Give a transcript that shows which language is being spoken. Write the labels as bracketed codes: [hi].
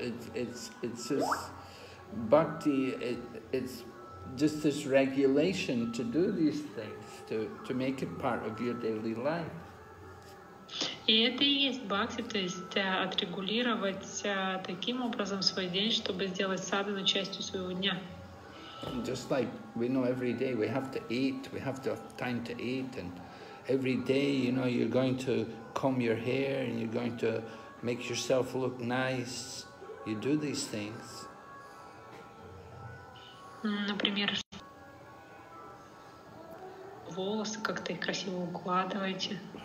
[en] It's bhakti. It's just this regulation to do these things, to make it part of your daily life. [ru] И это и есть бхакти, то есть отрегулировать таким образом свой день, чтобы сделать садхану частью своего дня. [en] Just like we know every day we have to eat, we have to have time to eat, and every day, you know, you're going to comb your hair and you're going to make yourself look nice. You do these things. [ru] Например, волосы как-то их красиво укладываете.